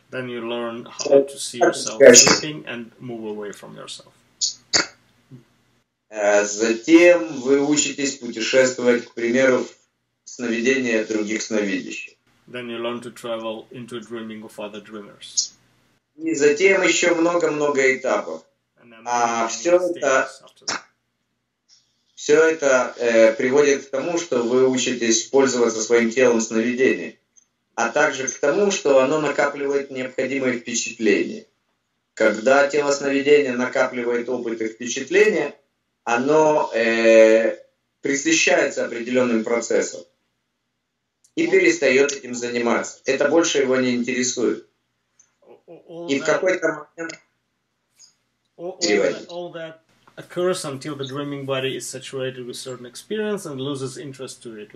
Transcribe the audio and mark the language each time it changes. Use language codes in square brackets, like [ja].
[en] Then you learn how to see yourself sleeping and move away from yourself. [ru] Затем вы учитесь путешествовать, к примеру, в сновидения других сновидящих. [en] Then you learn to travel into dreaming of other dreamers. [ru] И затем еще много-много этапов. А все это приводит к тому, что вы учитесь пользоваться своим телом сновидений, а также к тому, что оно накапливает необходимые впечатления. Когда тело сновидения накапливает опыт и впечатления, оно присыщается определенным процессом. И перестает этим заниматься. Это больше его не интересует. И в какой-то момент... [en] All that occurs until the dreaming body is saturated with certain experience and loses interest to it.